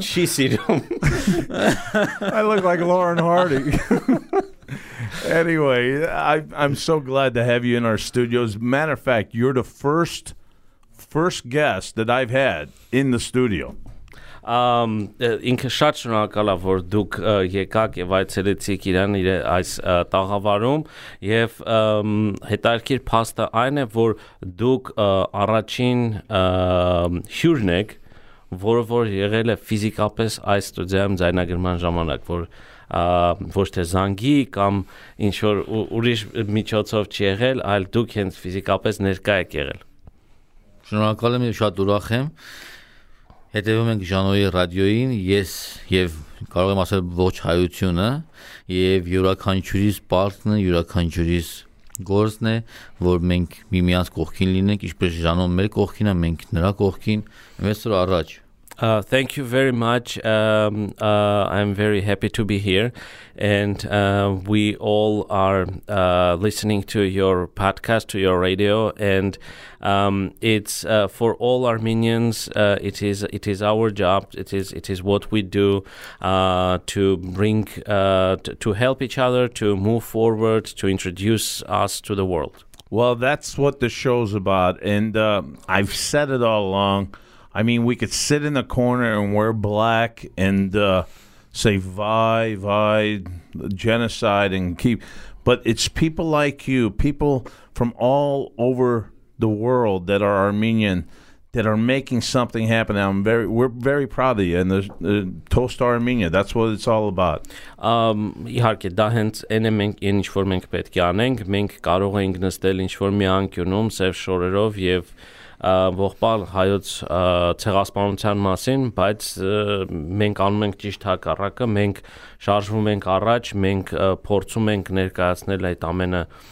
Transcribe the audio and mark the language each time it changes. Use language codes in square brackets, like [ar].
[en] She sees him. I look like Lauren Hardy. Anyway, I'm so glad to have you in our studios. Matter of fact, you're the first guest that I've had in the studio. [hy] Ինքը շատ շնորհակալ է, որ դուք եկաք եւ այցելեցիք իրան այս տաղավարում, եւ հետաքրքիր փաստը այն է, որ դուք առաջին հյուրն եք, որ եղել է ֆիզիկապես այս ստուդիայում ձայնագրման ժամանակ, որ ոչ թե զանգի կամ ինչ որ ուրիշ միջոցով չի եղել, այլ դուք հենց ֆիզիկապես ներկա եք եղել։ Շնորհակալ եմ եւ շատ ուրախ եմ։ հետևում ենք Ժանոյի ռադիոյին, ես եւ կարող եմ ասել ոչ հայությունը եւ յուրաքանչյուրիս պարտնը, յուրաքանչյուրիս գործն է, որ մենք միմյանց կողքին լինենք, ինչպես Ժանոն մեր կողքինը, մենք նրա կողքին, այսօր առաջ. [en] Thank you very much. I'm very happy to be here. And we all are listening to your podcast, to your radio. And it's for all Armenians, it is our job. It is what we do to bring, to help each other, to move forward, to introduce us to the world. Well, that's what the show's about. And I've said it all along. I mean, we could sit in the corner and wear black and say vi, genocide and keep. But it's people like you, people from all over the world that are Armenian, that are making something happen. And we're very proud of you. And the Toast to Armenia, that's what it's all about. [hy] Իհարկե, դա հենց այն է, մենք ինչ որ մենք պետք է անենք, մենք կարող ենք նստել ինչ որ մի անկյունում սև շորերով եւ ողբալ հայոց ցեղասպանության մասին, բայց մենք անում ենք ճիշտ հակառակը, մենք շարժվում ենք առաջ, մենք փորձում ենք ներկայացնել այդ ամենը